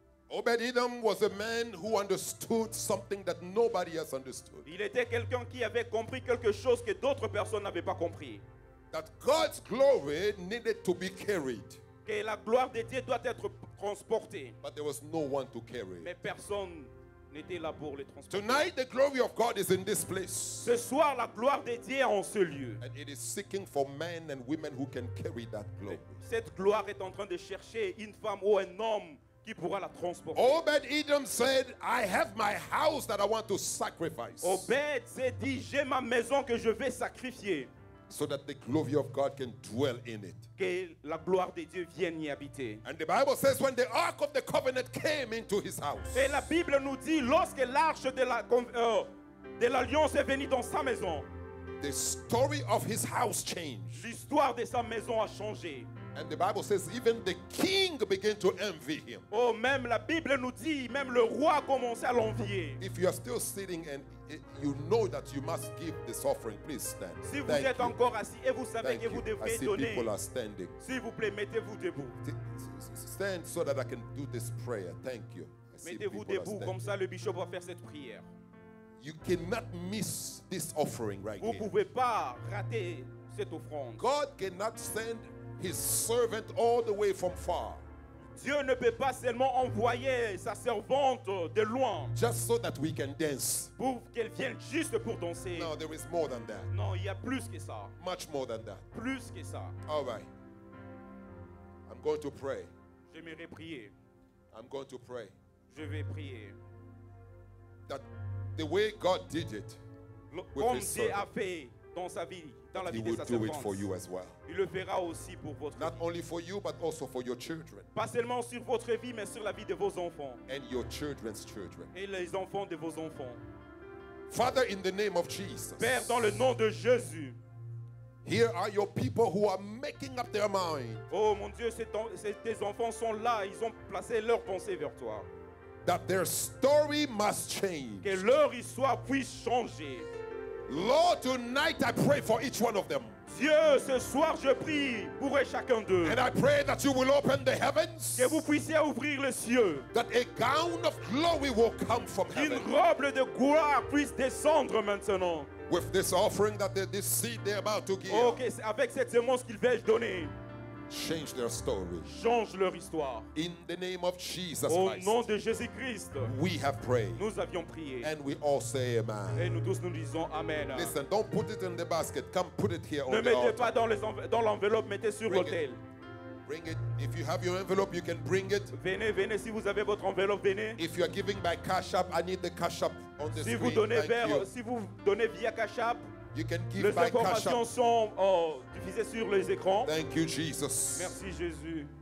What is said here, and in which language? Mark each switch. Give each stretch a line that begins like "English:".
English: Obed-Edom was a man who understood something that nobody has understood.
French: Il était quelqu'un qui avait compris quelque chose que d'autres personnes n'avaient pas compris.
English: That God's glory needed to be carried.
French: Que la gloire de Dieu doit être transportée.
English: But there was no one to carry.
French: Mais personne n'était là pour le transporter.
English: Tonight, the glory of God is in this place.
French: Ce soir, la gloire de Dieu est en ce lieu.
English: And it is seeking for men and women who can carry that glory.
French: Cette gloire est en train de chercher une femme ou un homme qui pourra la transporter.
English: Obed-Edom said, I have my house that I want to sacrifice.
French: Obed s'est dit, j'ai ma maison que je vais sacrifier.
English: So that the glory of God can dwell in it.
French: Que la gloire de Dieu vienne y habiter.
English: And the Bible says when the Ark of the Covenant came into his house.
French: Et la Bible nous dit lorsque l'arche de l'alliance est venue dans sa maison.
English: The story of his house changed.
French: L'histoire de sa maison a changé.
English: And the Bible says even the king began to envy him.
French: Oh, même la Bible nous dit même le roi a commencé à l'envier.
English: If you are still sitting and you know that you must give this offering, please stand.
French: Si vous êtes encore assis et vous savez que vous devez donner,
English: people are standing.
French: S'il vous plaît, mettez-vous debout.
English: Stand so that I can do this prayer. Thank you.
French: Mettez-vous debout comme ça le bishop va faire cette prière.
English: You cannot miss this offering right
French: here. Vous pouvez pas rater cette offrande.
English: God cannot send his servant all the way from far.
French: Dieu ne peut pas seulement envoyer sa servante de loin.
English: Just so that we can dance.
French: Pour qu'elle vienne juste pour danser.
English: No, there is more than that.
French: Non, il y a plus que ça.
English: Much more than that.
French: Plus que ça.
English: All right. I'm going to pray.
French: J'aimerais prier.
English: I'm going to pray.
French: Je vais prier.
English: That the way God did it.
French: Comme Dieu a fait dans sa vie.
English: He will do it for you as well.
French: Il le fera aussi pour votre
English: not
French: vie.
English: Only for you, but also for your children.
French: Pas seulement sur votre vie, mais sur la vie de vos enfants.
English: And your children's children.
French: Et les enfants de vos enfants.
English: Father, in the name of Jesus.
French: Père, dans le nom de Jésus.
English: Here are your people who are making up their mind.
French: Oh mon Dieu, tes enfants sont là. Ils ont placé leurs pensées vers toi.
English: That their story must change.
French: Que leur histoire puisse changer.
English: Lord, tonight I pray for each one of them.
French: Dieu, ce soir je prie pour chacun d'eux.
English: And I pray that you will open the heavens.
French: Que vous puissiez ouvrir les cieux.
English: That a gown of glory will come from heaven.
French: Une robe de gloire puisse descendre maintenant.
English: With this offering that this seed they're about to give.
French: Okay, avec cette semence qu'ils veulent donner.
English: Change their story.
French: Change leur histoire.
English: In the name of Jesus
French: au
English: Christ.
French: Au nom de Jésus Christ.
English: We have prayed.
French: Nous avions prié.
English: And we all say amen.
French: Et nous tous nous disons amen.
English: Listen, don't put it in the basket. Come put it here
French: ne
English: on the altar.
French: Ne mettez pas dans l'enveloppe, mettez sur l'autel.
English: Bring it. If you have your envelope, you can bring it.
French: Venez si vous avez votre enveloppe, venez.
English: If you are giving by Cash App, I need the Cash App on the screen.
French: Vous donnez
English: thank you.
French: Si vous donnez via Cash App.
English: You can give
French: les informations
English: by Cash
French: sont diffusées sur les écrans.
English: Thank you, Jesus.
French: Merci Jésus.